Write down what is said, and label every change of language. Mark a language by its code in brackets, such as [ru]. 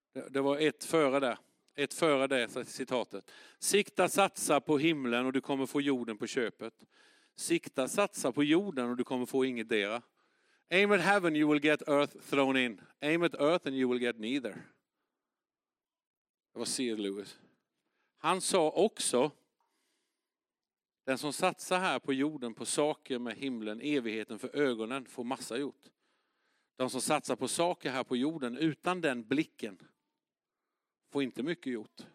[sv] Det var ett före det. Ett före det citatet. Sikta, satsa på himlen och du kommer få jorden på köpet. Sikta, satsa på jorden och du kommer få inget dera. [en] Aim at heaven, you will get earth thrown in. Aim at earth and you will get neither. [sv] Det var C.S. Lewis. Han sa också, den som satsar här på jorden på saker med himlen, evigheten för ögonen, får massa gjort. De som satsar på saker här på jorden utan den blicken får inte mycket gjort.